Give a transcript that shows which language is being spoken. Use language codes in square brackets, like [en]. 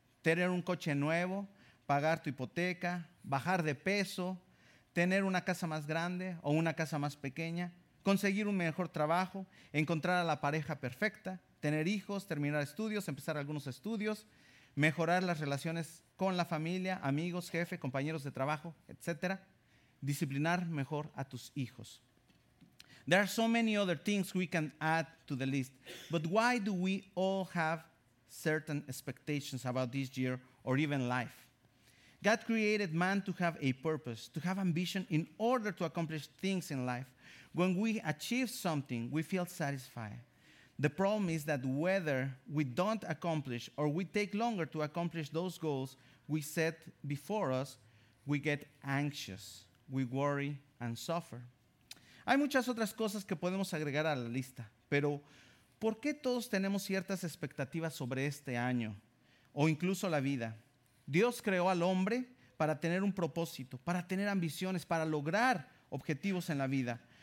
[es] ¿Tener un coche nuevo, pagar tu hipoteca, bajar de peso, tener una casa más grande o una casa más pequeña, conseguir un mejor trabajo, encontrar a la pareja perfecta, tener hijos, terminar estudios, empezar algunos estudios, mejorar las relaciones con la familia, amigos, jefe, compañeros de trabajo, etc.? Disciplinar mejor a tus hijos. [en] There are so many other things we can add to the list, but why do we all have certain expectations about this year or even life? God created man to have a purpose, to have ambition in order to accomplish things in life. When we achieve something, we feel satisfied. The problem is that whether we don't accomplish or we take longer to accomplish those goals we set before us, we get anxious, we worry and suffer. [es] Hay muchas otras cosas que podemos agregar a la lista, pero ¿por qué todos tenemos ciertas expectativas sobre este año o incluso la vida? Dios creó al hombre para tener un propósito, para tener ambiciones, para lograr objetivos en la vida.